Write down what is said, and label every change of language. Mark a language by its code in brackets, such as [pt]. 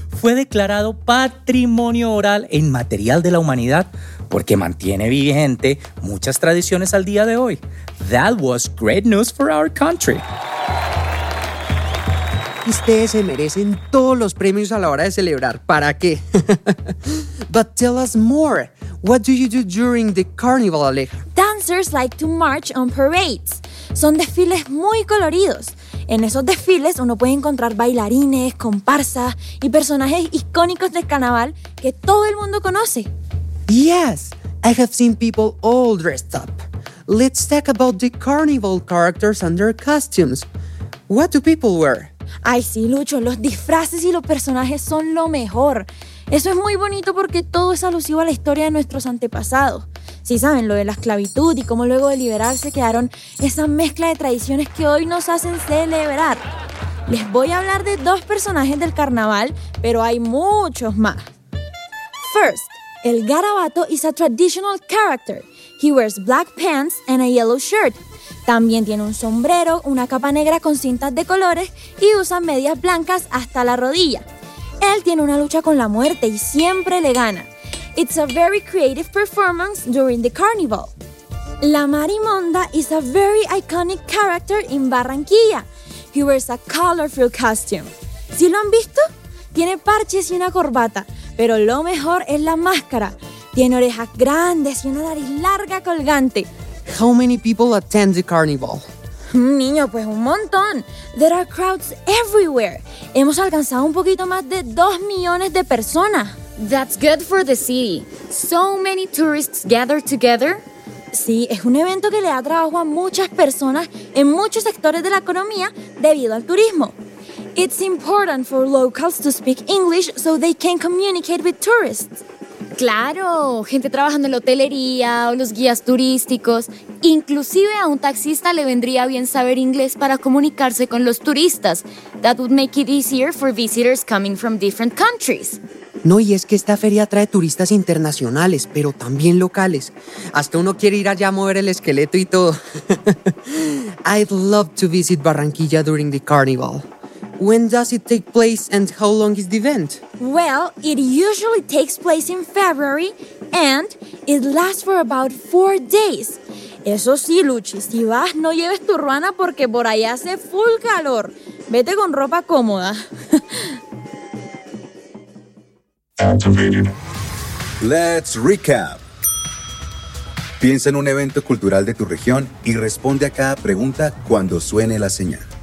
[es] Fue declarado patrimonio oral e inmaterial de la humanidad porque mantiene vigente muchas tradiciones al día de hoy. [en] That was great news for our country. [es] Ustedes se merecen todos los premios a la hora de celebrar. ¿Para qué? [en] But tell us more. What do you do during the carnival, Aleja? Dancers like to march on parades. [es] Son desfiles muy coloridos. En esos desfiles uno puede encontrar bailarines, comparsas y personajes icónicos del carnaval que todo el mundo conoce. [en] Yes, I have seen people all dressed up. Let's talk about the carnival characters and their costumes. What do people wear? [es] Ay, sí, Lucho, los disfraces y los personajes son lo mejor. Eso es muy bonito porque todo es alusivo a la historia de nuestros antepasados. Sí, saben, lo de la esclavitud y cómo luego de liberarse quedaron esa mezcla de tradiciones que hoy nos hacen celebrar. Les voy a hablar de dos personajes del carnaval, pero hay muchos más. [en] First, el garabato is a traditional character. He wears black pants and a yellow shirt. [es] También tiene un sombrero, una capa negra con cintas de colores y usa medias blancas hasta la rodilla. Él tiene una lucha con la muerte y siempre le gana. [en] It's a very creative performance during the carnival. La Marimonda is a very iconic character in Barranquilla. He wears a colorful costume. [es] ¿Sí lo han visto? Tiene parches y una corbata, pero lo mejor es la máscara. Tiene orejas grandes y una nariz larga colgante. [en] How many people attend the carnival? [es] Niño, pues un montón. [en] There are crowds everywhere. [es] Hemos alcanzado un poquito más de 2 millones de personas. [en] That's good for the city. So many tourists gather together. [es] Sí, es un evento que le da trabajo a muchas personas en muchos sectores de la economía debido al turismo. [en] It's important for locals to speak English so they can communicate with tourists. [es] Claro, gente trabajando en la hotelería o los guías turísticos. Inclusive a un taxista le vendría bien saber inglés para comunicarse con los turistas. [en] That would make it easier for visitors coming from different countries. [es] No, y es que esta feria atrae turistas internacionales, pero también locales. Hasta uno quiere ir allá a mover el esqueleto y todo. [en] I'd love to visit Barranquilla during the carnival. When does it take place and how long is the event? Well, it usually takes place in February and it lasts for about 4 days. [es] Eso sí, Luchi, si vas, no lleves tu ruana porque por allá hace full calor. Vete con ropa cómoda. [en] Let's recap. [es] Piensa en un evento cultural de tu región y responde a cada pregunta cuando suene la señal.